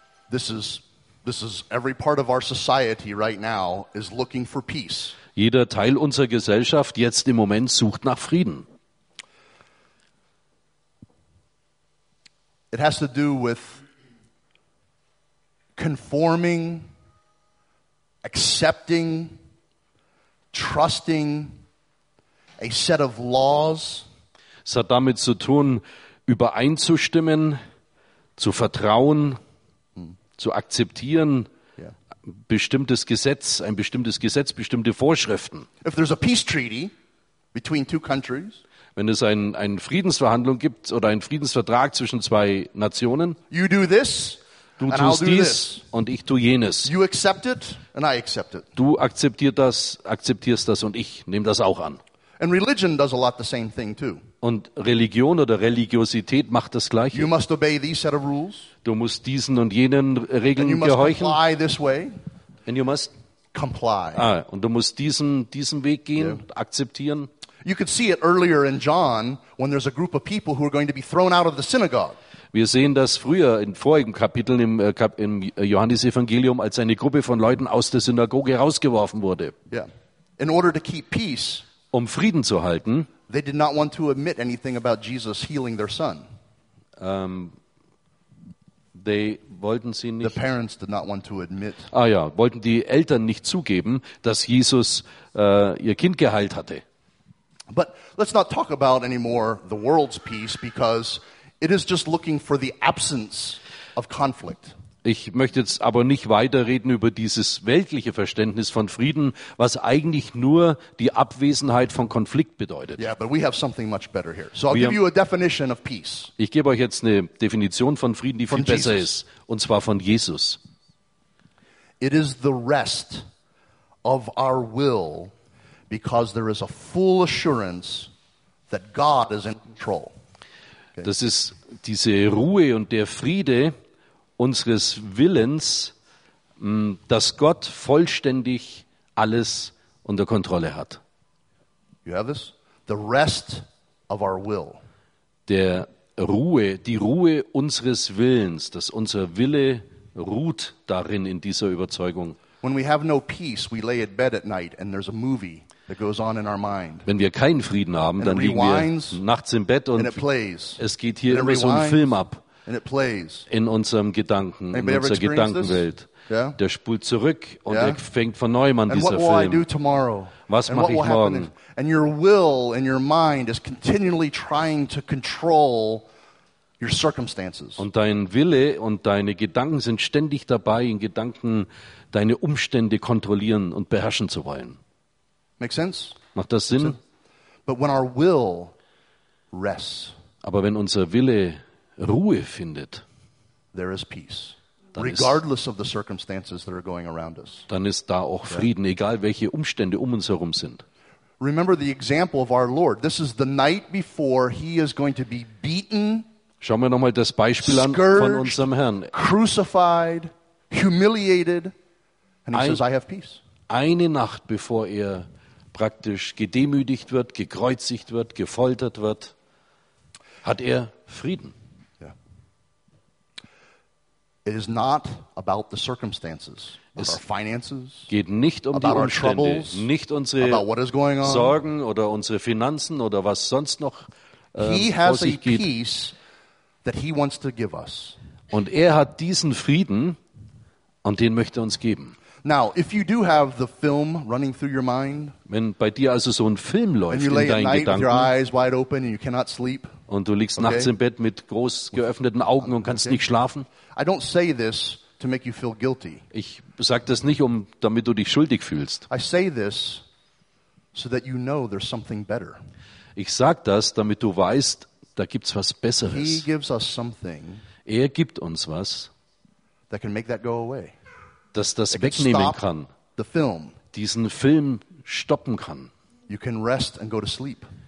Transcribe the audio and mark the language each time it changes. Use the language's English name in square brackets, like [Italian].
[English] This is every part of our society right now is looking for peace. [German] Jeder Teil unserer Gesellschaft jetzt im Moment sucht nach Frieden. [English] It has to do with conforming, accepting, trusting a set of laws. [German] Es hat damit zu tun, übereinzustimmen, zu vertrauen, zu akzeptieren, ein bestimmtes Gesetz, bestimmte Vorschriften. [English] If there's a peace treaty between two countries, [German] wenn es ein Friedensverhandlung gibt oder ein Friedensvertrag zwischen zwei Nationen, [English] you do this, [German] du tust [English] I'll do [German] dies [English] this. [German] Und ich tue jenes. [English] You accept it, and I accept it. [German] Du akzeptierst das und ich nehme das auch an. [English] And religion does a lot the same thing too. [German] Und Religion oder Religiosität macht das Gleiche. [English] You must obey these set of rules. [German] Du musst diesen und jenen Regeln gehorchen. [English] And you must comply this way. And you must comply. [German] Ah, und du musst diesen Weg gehen, akzeptieren. [English] You could see it earlier in John when there's a group of people who are going to be thrown out of the synagogue. [German] Wir sehen das früher in vorigen Kapiteln im Johannesevangelium, als eine Gruppe von Leuten aus der Synagoge rausgeworfen wurde. [English] Yeah. In order to keep peace, [German] um Frieden zu halten, [English] they did not want to admit anything about Jesus healing their son. The parents did not want to admit. [German] Ah ja, wollten die Eltern nicht zugeben, dass Jesus ihr Kind geheilt hatte. [English] But let's not talk about anymore the world's peace, because it is just looking for the absence of conflict. [German] Ich möchte jetzt aber nicht weiterreden über dieses weltliche Verständnis von Frieden, was eigentlich nur die Abwesenheit von Konflikt bedeutet. [English] Yeah, but we have something much better here. So I'll give you a definition of peace. [German] Ich gebe euch jetzt eine Definition von Frieden, die viel besser ist, und zwar von Jesus. [English] It is the rest of our will, because there is a full assurance that God is in control. Okay. [German] Das ist diese Ruhe und der Friede unseres Willens, dass Gott vollständig alles unter Kontrolle hat. [English] You have this? The rest of our will. [German] Die Ruhe unseres Willens, dass unser Wille ruht darin, in dieser Überzeugung. [English] When we have no peace, we lay in bed at night and there's a movie. It goes on in our mind. [German] Wenn wir keinen Frieden haben, dann liegen wir nachts im Bett und es geht hier immer so ein Film ab in unserem Gedanken, in unserer Gedankenwelt. Der spult zurück und er fängt von neuem an, dieser Film. Was mache ich morgen? [English] And your will and your mind is continually trying to control your circumstances. [German] Und dein Wille und deine Gedanken sind ständig dabei, in Gedanken deine Umstände kontrollieren und beherrschen zu wollen. [English] Make sense? [German] Macht das Sinn? [English] But when our will rests, [German] aber wenn unser Wille Ruhe findet, [English] there is peace, regardless of the circumstances that are going around us. [German] Dann ist da auch Frieden, egal welche Umstände um uns herum sind. [English] Remember the example of our Lord. This is the night before he is going to be beaten. [German] Schauen wir noch mal das Beispiel an von unserem Herrn. [English] Crucified, humiliated, and he says, "I have peace." [German] Eine Nacht bevor er praktisch gedemütigt wird, gekreuzigt wird, gefoltert wird, hat er Frieden. [English] Yeah. It is not about the circumstances, [German] es [English] our finances, [German] geht nicht um die Umstände, [English] troubles, [German] nicht unsere Sorgen oder unsere Finanzen oder was sonst noch vor sich geht. [English] Peace that he wants to give us. [German] Und er hat diesen Frieden und den möchte er uns geben. [English] Now, if you do have the film running through your mind, [German] wenn bei dir also so ein Film läuft [English] and you lay [German] in deinen [English] at night [German] Gedanken, [English] with your eyes wide open and you cannot sleep, [German] und du liegst nachts im Bett mit groß geöffneten Augen und kannst nicht schlafen, [English] I don't say this to make you feel guilty. [German] Ich sage das nicht, damit du dich schuldig fühlst. [English] I say this so that you know there's something better. [German] Ich sage das, damit du weißt, da gibt's was Besseres. [English] He gives us something, [German] er gibt uns was, [English] that can make that go away. [German] Dass das wegnehmen kann, diesen Film stoppen kann, [English] you can rest and go to sleep,